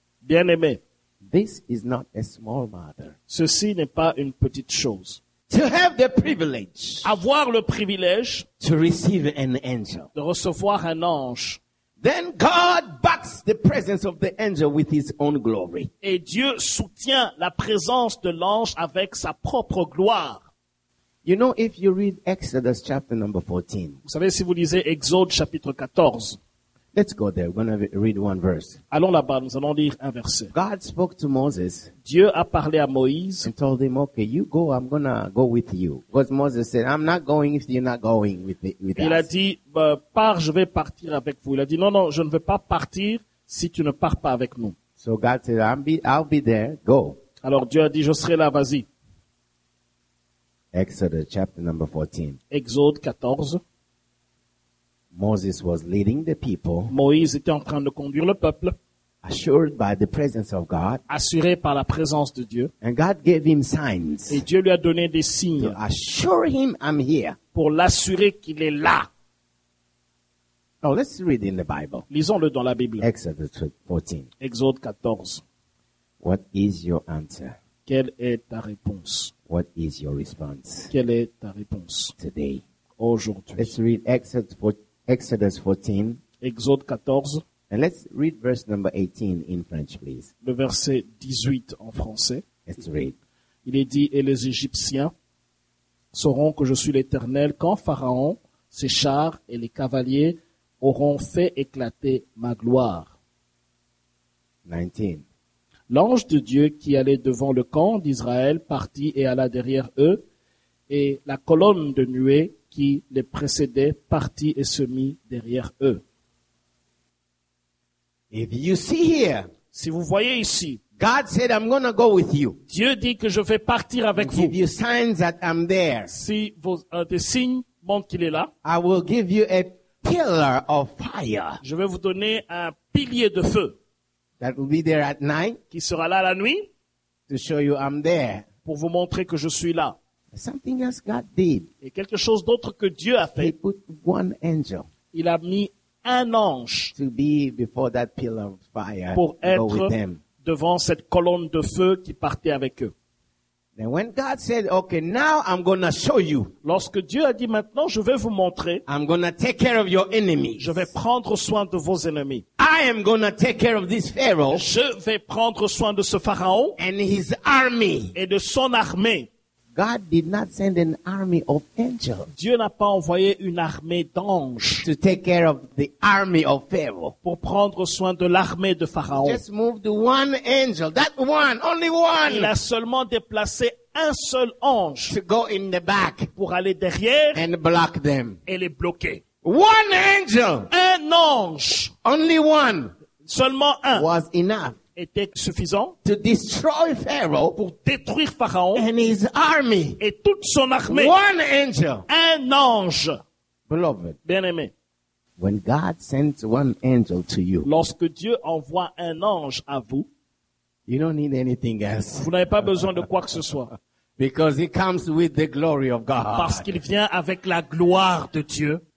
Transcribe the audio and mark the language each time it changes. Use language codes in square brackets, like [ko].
[fr] bien-aimés, [en] this is not a small matter. [fr] Ceci n'est pas une petite chose. [en] To have the privilege, [fr] avoir le privilège, [en] to receive an angel, [fr] de recevoir un ange. [en] Then God backs the presence of the angel with his own glory. [fr] Et Dieu soutient la présence de l'ange avec sa propre gloire. [en] You know, if you read Exodus chapter number 14. [fr] Vous savez, si vous lisez Exode chapitre 14. [en] Let's go there. We're going to read one verse. [fr] Allons là-bas. Nous allons lire un verset. [en] God spoke to Moses. [fr] Dieu a parlé à Moïse. [en] And told him, okay, you go. I'm going to go with you. Because Moses said, I'm not going if you're not going with [fr] il [en] us. [fr] Il a dit, pars, je vais partir avec vous. Il a dit, non, non, je ne vais pas partir si tu ne pars pas avec nous. [en] So God said, I'll be there. Go. [fr] Alors Dieu a dit, je serai là. Vas-y. [en] Exodus chapter number 14. [fr] Exode 14. [en] Moses was leading the people. [fr] Moïse était en train de conduire le peuple. [en] Assured by the presence of God. [fr] Assuré par la présence de Dieu. [en] And God gave him signs. [fr] Et Dieu lui a donné des signes. [en] To assure him I'm here. [fr] Pour l'assurer qu'il est là. [en] Now let's read in the Bible. [fr] Lisons-le dans la Bible. [en] Exodus 14. [fr] Exode 14. [en] What is your answer? [fr] Quelle est ta réponse? [en] What is your response? [fr] Quelle est ta réponse? [en] Today. [fr] Aujourd'hui. [en] Let's read Exodus 14. Exodus 14. [fr] Exode 14. [en] And let's read verse number 18 in French, please. [fr] Le verset 18 en français. [en] Let's read. [fr] Il est dit, et les Égyptiens sauront que je suis l'Éternel quand Pharaon, ses chars et les cavaliers auront fait éclater ma gloire. 19. L'ange de Dieu qui allait devant le camp d'Israël partit et alla derrière eux, et la colonne de nuée qui les précédait, partit et se mit derrière eux. [en] If you see here, [fr] si vous voyez ici, [en] God said, I'm gonna go with you. [fr] Dieu dit que je vais partir avec [en] give [fr] vous. [en] You signs that I'm there. [fr] Si vos des signes montrent qu'il est là, [en] I will give you a pillar of fire. [fr] Je vais vous donner un pilier de feu [en] that will be there at night, [fr] qui sera là la nuit [en] to show you I'm there. [fr] Pour vous montrer que je suis là. [en] Something else God did. [fr] Et quelque chose d'autre que Dieu a fait. [en] He put one angel. [fr] Il a mis un ange. [en] To be before that pillar of fire. [fr] Pour être devant cette colonne de feu qui partait avec eux. [en] Then when God said, "Okay, now I'm going to show you." [fr] Lorsque Dieu a dit maintenant, je vais vous montrer. [en] I'm going to take care of your enemies. [fr] Je vais prendre soin de vos ennemis. [en] I am going to take care of this Pharaoh. [fr] Je vais prendre soin de ce pharaon. [en] And his army. [fr] Et de son armée. [en] God did not send an army of angels. [fr] Dieu n'a pas envoyé une armée d'anges. [en] To take care of the army of Pharaoh. [fr] Pour prendre soin de l'armée de Pharaon. [en] Just moved one angel. That one, only one. [fr] Il a seulement déplacé un seul ange. [en] To go in the back. [fr] Pour aller derrière. [en] And block them. [fr] Et les bloquer. [en] One angel. [fr] Un ange. [en] Only one. [fr] Seulement un. [en] Was enough. [fr] Était suffisant [en] to destroy Pharaoh [fr] pour détruire Pharaon [en] and his army. [fr] Et toute son armée. [en] One angel. [fr] Un ange. [en] Beloved. [fr] Bien-aimé. [en] When God sends one angel to you, [fr] lorsque Dieu envoie un ange à vous, [en] you don't need anything else. [fr] Vous n'avez pas besoin de quoi que ce soit. [en] Because he comes with the glory of God. [fr] Parce qu'il vient avec la gloire de Dieu.